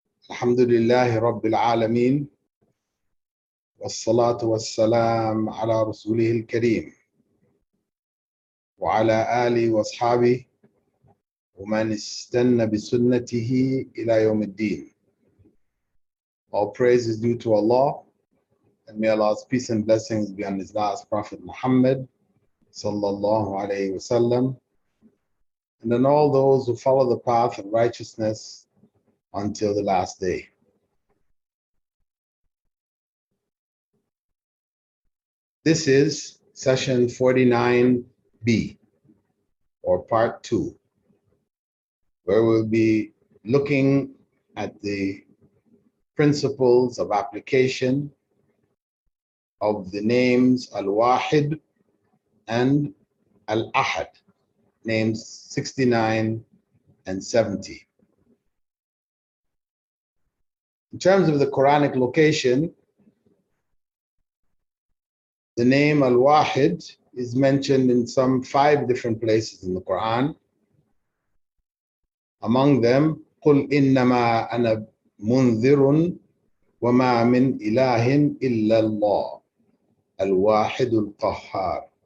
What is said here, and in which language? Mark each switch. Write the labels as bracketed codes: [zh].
[ar] الحمد لله رب العالمين والصلاة والسلام على رسوله الكريم وعلى آله وأصحابه ومن استنى بسنته إلى يوم الدين. [en] All praise is due to Allah and may Allah's peace and blessings be on His last Prophet Muhammad صلى الله عليه وسلم and on all those who follow the path of righteousness until the last day. This is session 49B, or part two, where we'll be looking at the principles of application of the names Al-Wahid and Al-Ahad, names 69 and 70. In terms of the Quranic location, the name Al-Wahid is mentioned in some five different places in the Quran. Among them, [ar] قُلْ إِنَّمَا أَنَا مُنذِرٌ وَمَا مِنْ إِلَٰهٍ إِلَّا اللَّهِ الْوَاحِدُ الْقَهَّارِ.